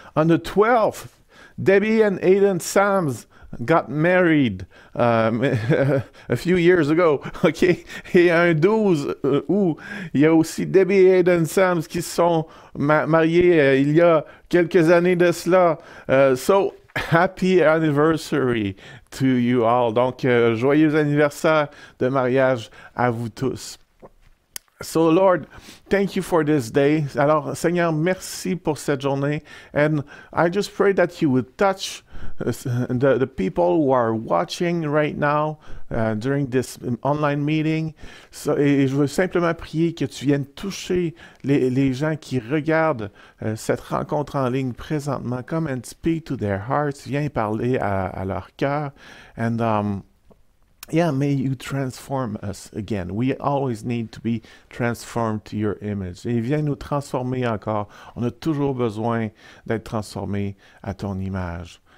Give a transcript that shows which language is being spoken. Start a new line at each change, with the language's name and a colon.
English: On the 12th, Debbie and Aiden Sams got married a few years ago, ok?
French: Et un 12 août, il y a aussi Debbie et Aiden Sams qui se sont mariés il y a quelques années de cela.
English: So, happy anniversary to you all.
French: Donc, joyeux anniversaire de mariage à vous tous.
English: So, Lord, thank you for this day.
French: Alors, Seigneur, merci pour cette journée.
English: And I just pray that you would touch the people who are watching right now during this online meeting.
French: So, et je veux simplement prier que tu viennes toucher les gens qui regardent cette rencontre en ligne présentement.
English: Come and speak to their hearts.
French: Viens parler à leur cœur.
English: And may you transform us again. We always need to be transformed to your image.
French: Et viens nous transformer encore. On a toujours besoin d'être transformés à ton image.